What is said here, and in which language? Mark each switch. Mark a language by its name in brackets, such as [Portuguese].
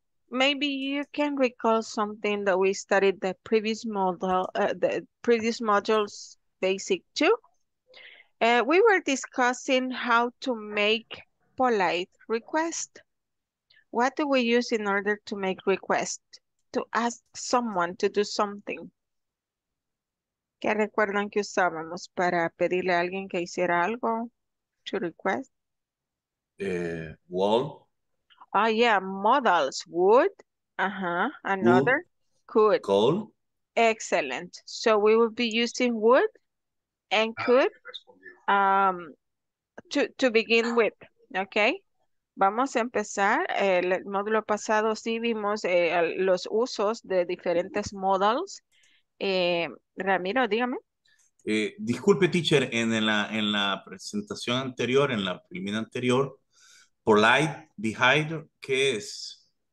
[English] maybe you can recall something that we studied the previous model, the previous modules, basic two. We were discussing how to make polite requests. What do we use in order to make requests? To ask someone to do something. [Spanish] ¿Qué recuerdan que usábamos para pedirle a alguien que hiciera algo? [English] To request. Well. Oh, yeah, models, would, another, would, could. Call. Excellent. So we will be using would and could to begin with, okay? [Spanish] Vamos a empezar. El módulo pasado sí vimos los usos de diferentes models. Ramiro, dígame. Disculpe, teacher, en la presentación anterior, en la primera anterior, polite behavior, ¿qué es?